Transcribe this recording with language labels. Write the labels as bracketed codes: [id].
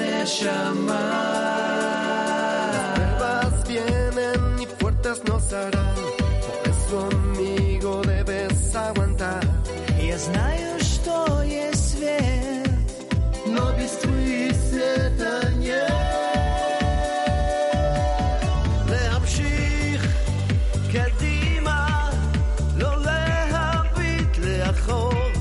[es] Las pruebas vienen y fuertes nos harán, por eso amigo debes aguantar. [ru] Я знаю, что есть свет, но без твоего света нет. [he] להמשיך קדימה, לא להביט לאחור.